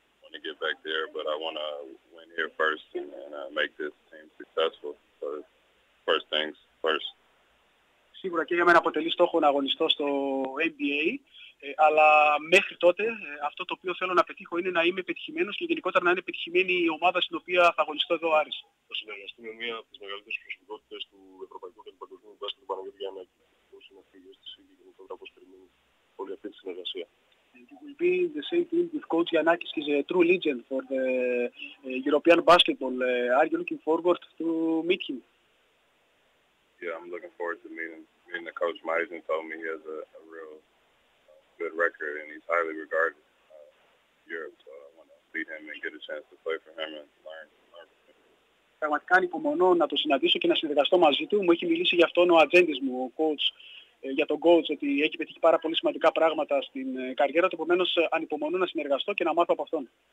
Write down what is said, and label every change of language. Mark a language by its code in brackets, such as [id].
[en] To get back there, but I want to win here first and make this team successful. So first things first. [el] Σίγουρα και για μένα αποτελεί στόχο να αγωνιστώ στο NBA, αλλά μέχρι τότε αυτό το οποίο θέλω να πετύχω είναι να είμαι πετυχημένος και γενικότερα να είναι πετυχημένη η ομάδα στην οποία θα αγωνιστώ εδώ, Άρης. Θα συνεργαστεί με μία από τις μεγαλύτερες προσωπικότητες του ευρωπαϊκού και του παγκοσμίου μπάσκετ, Παναγιώτη Γιάννη. Πώς είναι αυτή η αίσθηση και γενικότερα πώς περιμένει όλη αυτή τη συνεργασία? [en] It will be the same team with Coach Giannakis. He's a true legend for the European basketball. Are you looking forward to meet him? Yeah, I'm looking forward to meeting the coach. Meisen told me he has a real good record and he's highly regarded in Europe. So I want to meet him and get a chance to play for him and learn. [el] Πραγματικά ανυπομονώ να το συναντήσω και να συνεργαστώ μαζί του. Μου έχει μιλήσει γι' αυτόν ο ατζέντης μου, ο coach. Για τον coach, ότι έχει πετύχει πάρα πολύ σημαντικά πράγματα στην καριέρα του. Επομένως, ανυπομονώ να συνεργαστώ και να μάθω από αυτόν.